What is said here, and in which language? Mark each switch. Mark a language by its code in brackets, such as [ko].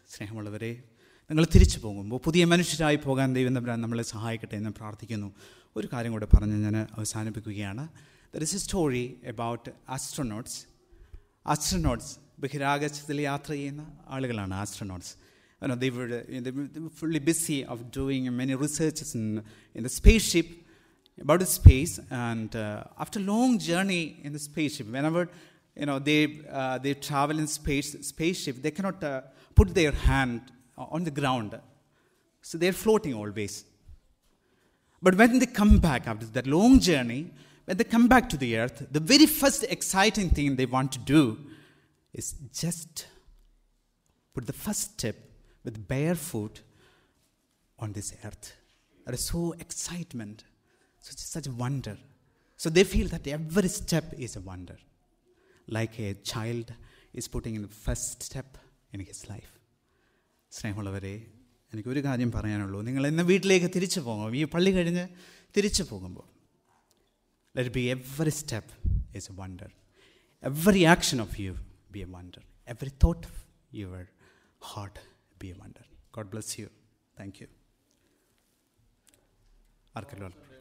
[ml] സ്നേഹമുള്ളവരെ, നിങ്ങൾ തിരിച്ചു പോകുമ്പോൾ പുതിയ മനുഷ്യരായി പോകാൻ ദൈവം തമ്മിൽ നമ്മളെ സഹായിക്കട്ടെ എന്ന് പ്രാർത്ഥിക്കുന്നു. ഒരു കാര്യം കൂടെ പറഞ്ഞ് ഞാൻ അവസാനിപ്പിക്കുകയാണ്. [en] There is a story about astronauts. [ml] Astronauts ബഹിരാകാശത്തിൽ യാത്ര ചെയ്യുന്ന ആളുകളാണ് astronauts. [en] And they were fully busy of doing many researches in the spaceship, about the space. And after long journey in the spaceship, whenever they travel in spaceship, they cannot put their hand on the ground, so they're floating always. But when they come back after that long journey, when they come back to the earth, the very first exciting thing they want to do is just put the first step with barefoot on this earth. There is so excitement, such wonder. So they feel that every step is a wonder. Like a child is putting in the first step in his life. [ml] സ്നേഹമുള്ളവരെ, എനിക്കൊരു കാര്യം പറയാനുള്ളൂ. നിങ്ങൾ ഇന്ന് വീട്ടിലേക്ക് തിരിച്ചു പോകുമ്പോൾ, ഈ പള്ളി കഴിഞ്ഞ് തിരിച്ചു പോകുമ്പോൾ, [en] let it be every step is a wonder. Every action of you be a wonder. Every thought of your heart be a wonder. God bless you. Thank you. Arkalol.